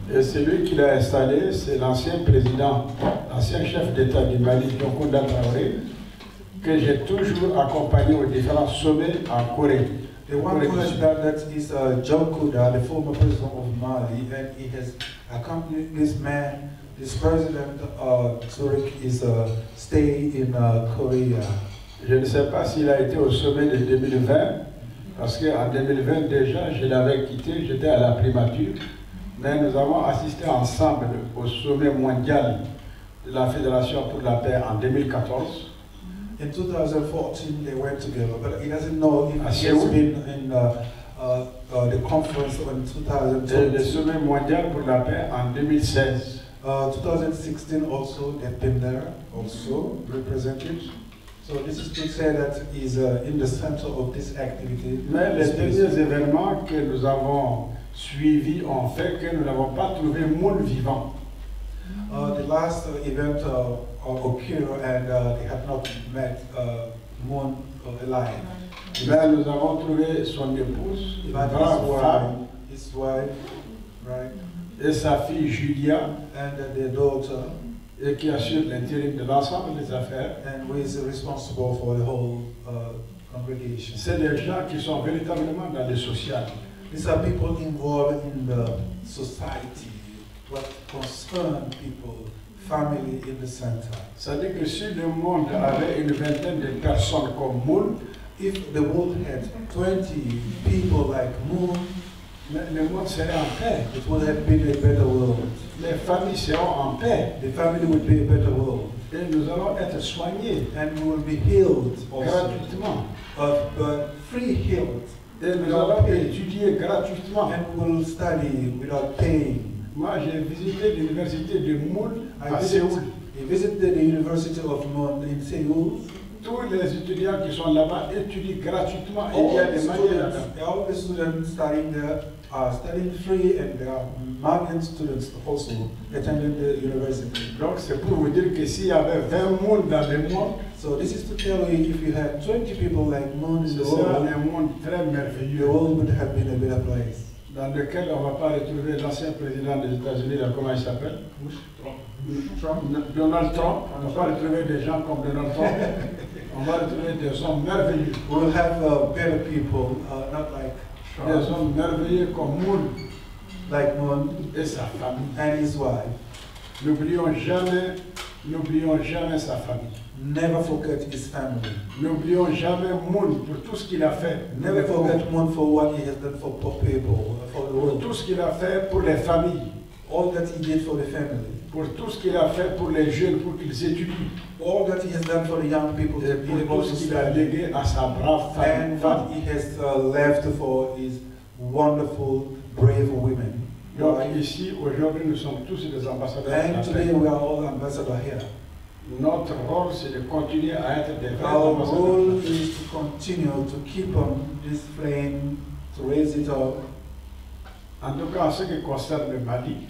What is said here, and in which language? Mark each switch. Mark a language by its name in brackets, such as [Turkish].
[French] Et celui qui l'a installé, c'est l'ancien président. Ancien chef d'État du Mali, Donkunda Traoré, que j'ai toujours accompagné aux différents sommets en Corée. [English] The one who has done that is Donkunda, the former president of Mali, and he has accompanied this man, this president Zurich, is stay in Korea. [French] Je ne sais pas s'il a été au sommet de 2020, parce qu'en 2020 déjà, je l'avais quitté, j'étais à la primature, mais nous avons assisté ensemble au sommet mondial de la Fédération pour la Paix en 2014. [English] In 2014, they went together, but he doesn't know if he's been in the conference in 2012. [French] Le sommet mondial pour la paix en 2016. [English] 2016 also, they've been there also, represented. So this is to say that he's in the center of this activity. [French] Mais les premiers événements que nous avons suivis ont fait que nous n'avons pas trouvé Moon vivant. [English] The last event occurred and they had not met Moon alive. [French] Mais nous avons trouvé son épouse, [English] his wife, right? [French] Et sa fille Julia, [English] and their daughter. [French] et qui assure l'intérim de l'ensemble des affaires. [English] And who is responsible for the whole congregation. [French] C'est des gens qui sont véritablement dans le social. [English] These are people involved in the society, what concerns people, family in the center. [French] C'est-à-dire que si le monde avait une vingtaine de personnes comme Moon, [English] if the world had 20 people like Moon, [French] le monde serait en paix. [English] It would have been a better world. [French] Les familles seront en paix. [English] The family would be a better world. [French] Et nous allons être soignés. [English] And we will be healed. [French] Gratuitement. [English] But free healed. [French] Et nous allons étudier gratuitement. [English] And we will study without pain. [French] Moi, j'ai visité l'université de Moon à Séoul. [English] I visited the University of Moon in Seoul. [French] Tous les étudiants qui sont là-bas étudient gratuitement et il y a des moyens. [English] All the students studying there are studying free and there are Malian students also attending the university. [French] Donc c'est pour vous dire que s'il y avait 20 mondes dans le monde, [English] so this is to tell you if you had 20 people like Moon in the world, [French] un monde très merveilleux. [English] The world would have been a better place. [French] Dans lequel on ne va pas retrouver l'ancien président des États-Unis, comment il s'appelle? Donald Trump. On ne va pas retrouver des gens comme Donald Trump. On va retrouver des hommes merveilleux. [English] We'll have better people, not like Trump. [French] Des hommes merveilleux comme Moon. [English] Like Moon. [French] Et sa famille. [English] And his wife. [French] N'oublions jamais sa famille. [English] Never forget his family. [French] N'oublions jamais Moon pour tout ce qu'il a fait. [English] Never forget Moon for what he has done for poor people, for the world. [French] Pour tout ce qu'il a fait pour les familles. [English] All that he did for the family. [French] Pour tout ce qu'il a fait pour les jeunes, pour qu'ils étudient. [English] All that he has done for the young people. [French] Et pour tout ce qu'il a légué à sa brave famille. [English] And what he has left for his wonderful, brave women. [French] Donc ici, aujourd'hui, nous sommes tous des ambassadeurs. [English] And today we are all ambassadors here. [French] Notre rôle c'est de continuer à être des vrais ambassadeurs. [English] Our role is to continue to keep on this flame, to raise it up. [French] En tout cas, en ce qui concerne le Mali,